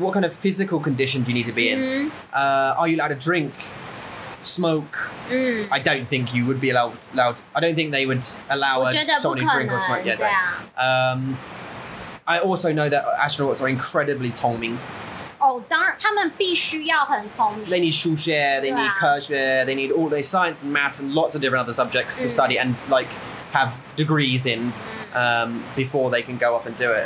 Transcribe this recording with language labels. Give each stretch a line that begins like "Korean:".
English: What kind of physical condition do you need to be in?、 Mm. Are you allowed to drink, smoke?、 Mm. I don't think you would be allowed. I don't think they would allow someone to drink or smoke. Yeah, yeah. I also know that astronauts are incredibly 聪明.
Chinese: Oh, 当然，他们必须要很聪明.
English: They need 数学, they need 科学, they need all the science and maths and lots of different other subjects to study and like have degrees in before they can go up and do it.